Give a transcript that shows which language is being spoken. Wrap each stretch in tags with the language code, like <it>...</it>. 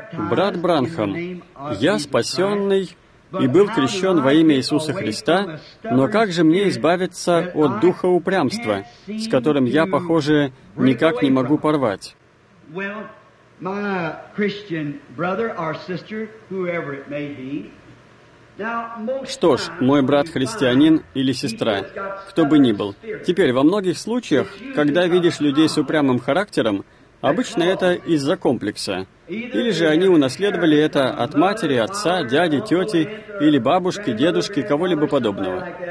<ru>Брат Бранхам, я спасенный и был крещен во имя Иисуса Христа, но как же мне избавиться от духа упрямства, с которым я, похоже, никак не могу порвать?</ru> <en>Well, my Christian brother or sister, whoever it may be.</en> <ru>Что ж, мой брат-христианин или сестра, кто бы ни был. Теперь, во многих случаях, когда видишь людей с упрямым характером, обычно это из-за комплекса. Или же они унаследовали это от матери, отца, дяди, тети или бабушки, дедушки, кого-либо подобного.</ru>